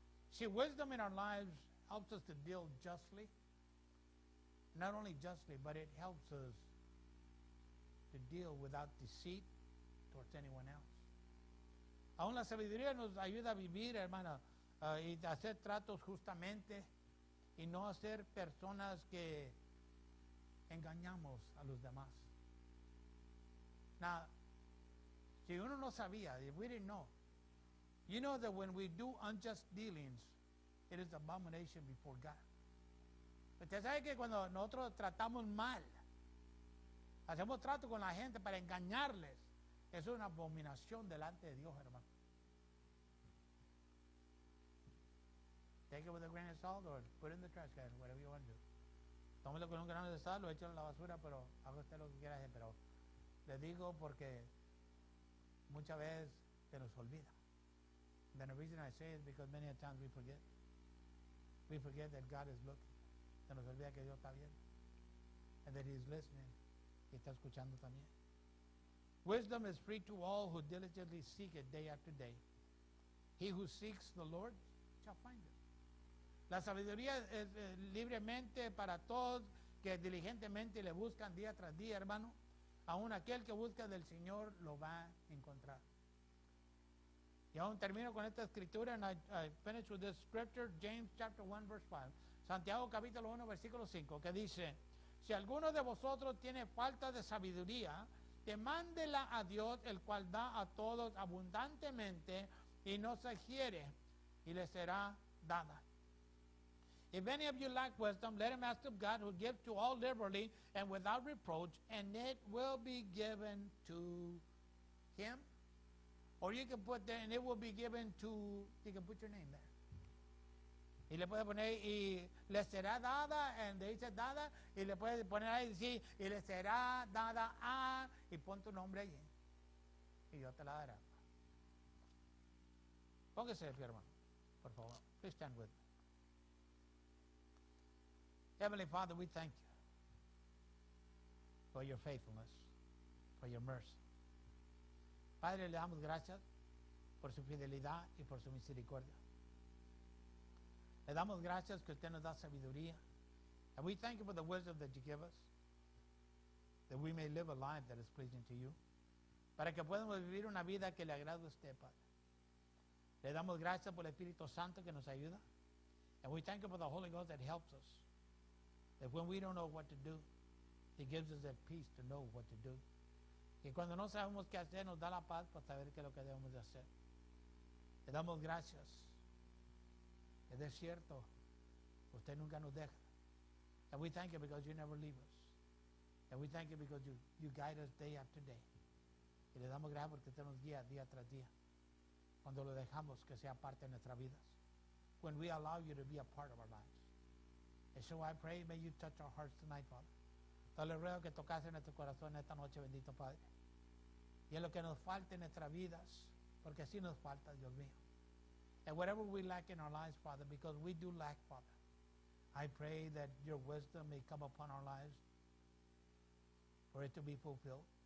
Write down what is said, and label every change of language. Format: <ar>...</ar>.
<en>See, wisdom in our lives helps us to deal justly. Not only justly, but it helps us to deal without deceit towards anyone else.</en> <es>Aún la sabiduría nos ayuda a vivir, hermano, y hacer tratos justamente y no hacer personas que engañamos a los demás.</es> <en>Now,</en> <es>si uno no sabía,</es> <en>if we didn't know, you know that when we do unjust dealings, it is abomination before God.</en> <es>Usted sabe que cuando nosotros tratamos mal, hacemos trato con la gente para engañarles, es una abominación delante de Dios, hermano.</es> <en>Take it with a grain of salt or put it in the trash can, whatever you want to do.</en> <es>Tómelo con un grano de sal, lo echo en la basura, pero haga usted lo que quiera hacer. Pero le digo porque muchas veces se nos olvida.</es> <en>The reason I say it is because many a times we forget. We forget that God is looking.</en> <es>Se nos olvida que Dios está viendo.</es> <en>And that he is listening.</en> <es>Y está escuchando también.</es> <en>Wisdom is free to all who diligently seek it day after day. He who seeks the Lord shall find it.</en> <es>La sabiduría es libremente para todos que diligentemente le buscan día tras día, hermano. Aún aquel que busca del Señor lo va a encontrar. Y aún termino con esta escritura,</es> <en>and I finish with this scripture,</en> <es>James chapter 1, verse 5. Santiago capítulo 1, versículo 5, que dice, si alguno de vosotros tiene falta de sabiduría, demándela a Dios, el cual da a todos abundantemente y no se quiere, y le será dada.</es> <en>If any of you lack wisdom, let him ask of God, who gives to all liberally and without reproach, and it will be given to him. Or you can put there, and it will be given to, you can put your name there.</en> <es>Y le puede poner, y le será dada,</es> <en>and they said dada,</en> <es>y le puede poner ahí, sí, y le será dada a, y pon tu nombre ahí, y yo te la daré. Póngase el hermano, por favor,</es> <en>please stand with me. Heavenly Father, we thank you for your faithfulness, for your mercy.</en> <es>Padre, le damos gracias por su fidelidad y por su misericordia. Le damos gracias que usted nos da sabiduría.</es> <en>And we thank you for the wisdom that you give us, that we may live a life that is pleasing to you.</en> <es>Para que podamos vivir una vida que le agrade a usted, Padre. Le damos gracias por el Espíritu Santo que nos ayuda.</es> <en>And we thank you for the Holy Ghost that helps us. That when we don't know what to do, he gives us that peace to know what to do.</en> <es>Que cuando no sabemos qué hacer, nos da la paz para saber qué es lo que debemos de hacer. Le damos gracias. Es cierto, usted nunca nos deja.</es> <en>And we thank you because you never leave us. And we thank you because you guide us day after day.</en> <es>Y le damos gracias porque usted nos guía día tras día. Cuando lo dejamos que sea parte de nuestras vidas.</es> <en>When we allow you to be a part of our lives. And so I pray, may you touch our hearts tonight, Father.</en> <es>Te le ruego que tocase nuestro corazón esta noche, bendito Padre. Y en lo que nos falte en nuestras vidas, porque así nos falta, Dios mío.</es> <en>And whatever we lack in our lives, Father, because we do lack, Father, I pray that your wisdom may come upon our lives for it to be fulfilled.</en>